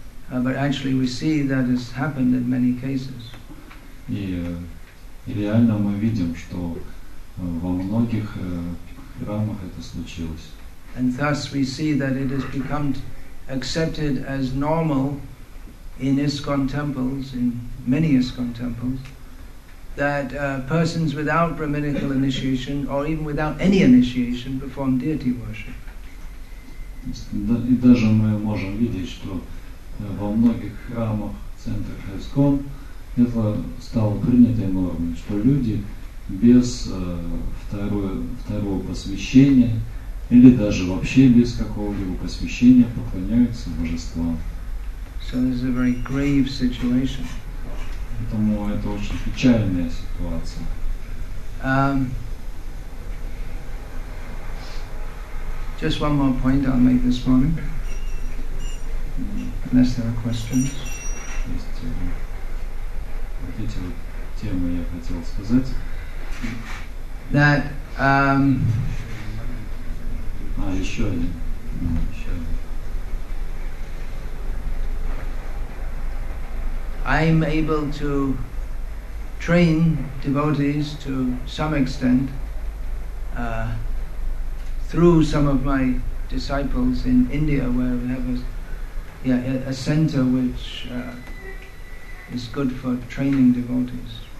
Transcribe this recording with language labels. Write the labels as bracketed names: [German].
[English] But actually we see that has happened in many cases. [Russian] И реально мы видим, что во многих храмах это случилось. [English] And thus we see that it has become accepted as normal in ISKCON temples, in many ISKCON temples, that persons without brahminical initiation or even without any initiation perform deity worship. [Russian] И даже мы можем видеть, что во многих храмах, центрах ISKCON это стало принятой нормой, что люди без второго посвящения или даже вообще без какого-либо посвящения поклоняются божествам. [English] So this is a very grave situation. [Russian] Поэтому это очень печальная ситуация. [English] Just one more point I'll make this morning. Unless there are questions. [Russian] Есть, вот эти вот темы я хотел сказать. [English] That I'm able to train devotees to some extent through some of my disciples in India, where we have a center which is good for training devotees.